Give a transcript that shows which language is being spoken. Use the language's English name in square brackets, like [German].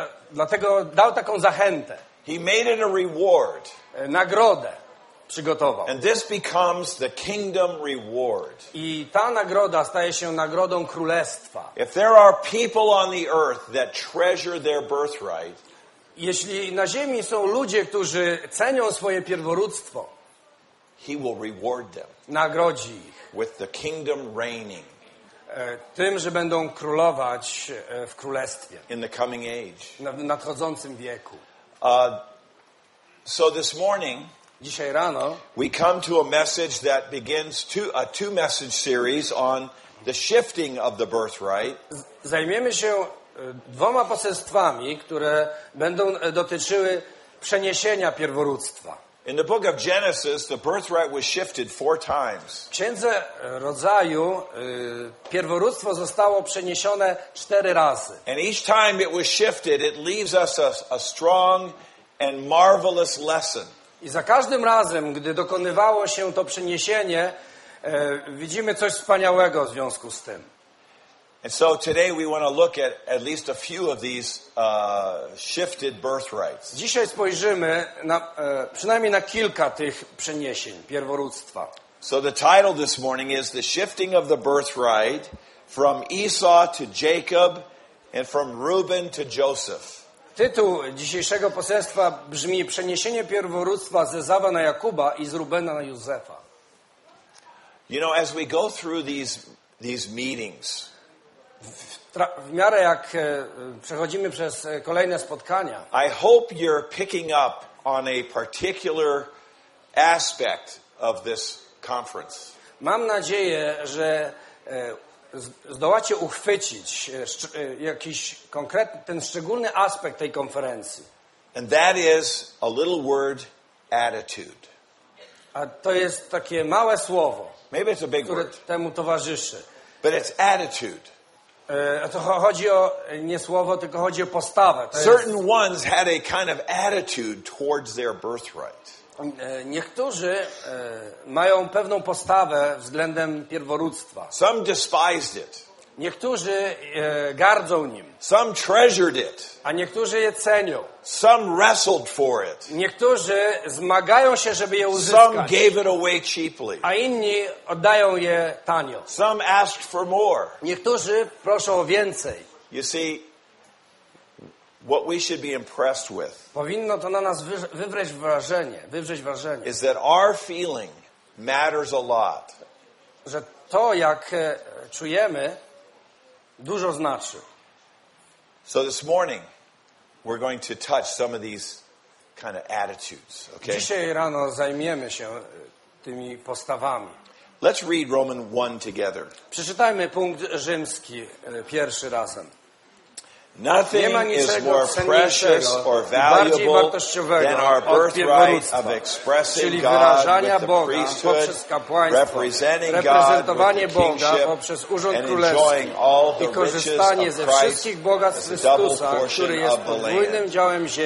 [Polish] Dlatego dał taką zachętę. [English] He made it a reward. [Polish] Nagrodę przygotował. [English] And this becomes the kingdom reward. [Polish] I ta nagroda staje się nagrodą królestwa. [English] If there are people on the earth that treasure their birthright, [Polish] jeśli na ziemi są ludzie, którzy cenią swoje pierworództwo, [English] he will reward them. [Polish] Nagrodzi ich. [English] With the kingdom reigning. [Polish] Tym, że będą królować w królestwie. [English] In the coming age. [Polish] W nadchodzącym wieku. [English] So this morning, [Polish] dzisiaj rano, [English] we come to a message that begins a two message series on the shifting of the birthright. [Polish] Zajmiemy się dwoma poselstwami, które będą dotyczyły przeniesienia pierworództwa. [English] In the book of Genesis, the birthright was shifted four times. [Polish] W Księdze Rodzaju pierworództwo zostało przeniesione cztery razy. [English] And each time it was shifted, it leaves us a strong and marvelous lesson. [Polish] I za każdym razem, gdy dokonywało się to przeniesienie, widzimy coś wspaniałego w związku z tym. [English] And so today we want to look at least a few of these shifted birthrights. [Polish] Dzisiaj spojrzymy przynajmniej na kilka tych przeniesień pierworództwa. [English] So the title this morning is the shifting of the birthright from Esau to Jacob and from Reuben to Joseph. [Polish] Tytuł dzisiejszego poselstwa brzmi przeniesienie pierworództwa z Ezawa na Jakuba i z Rubena na Józefa. [English] You know, as we go through these meetings, [Polish] w miarę jak przechodzimy przez kolejne spotkania, [English] I hope you're picking up on a particular aspect of this conference. [Polish] Mam nadzieję, że zdołacie uchwycić jakiś konkretny, ten szczególny aspekt tej konferencji. [English] And that is a little word, attitude. [Polish] A to jest takie małe słowo, [English] maybe it's a big [Polish] które [English] word, [Polish] temu towarzyszy. [English] But it's attitude. [Polish] A to chodzi o nie słowo, tylko chodzi o postawę. To certain jest... [English] ones had a kind of attitude towards their birthright. [Polish] Niektórzy mają pewną postawę względem pierworództwa. [English] Some despised it. [Polish] Niektórzy gardzą nim. [English] Some treasured it. [Polish] A niektórzy je cenią. [English] Some wrestled for it. [Polish] Niektórzy zmagają się, żeby je uzyskać. [English] Some gave it away cheaply. [Polish] A inni oddają je tanio. [English] Some asked for more. [Polish] Niektórzy proszą o więcej. [English] You see, what we should be impressed with. [Polish] Powinno to na nas wywrzeć wrażenie. [English] Is that our feeling matters a lot. [Polish] Że to, jak czujemy, dużo znaczy. [English] So this morning we're going to touch some of these kind of attitudes, okay? [Polish] Dzisiaj rano zajmiemy się tymi postawami. [English] Let's read Roman 1 together. [Polish] Przeczytajmy punkt rzymski pierwszy razem. [English] Nothing is more precious or valuable than our birthright of expressing God with the priesthood, representing God with the kingship, and enjoying all the riches of Christ as a double portion of the land.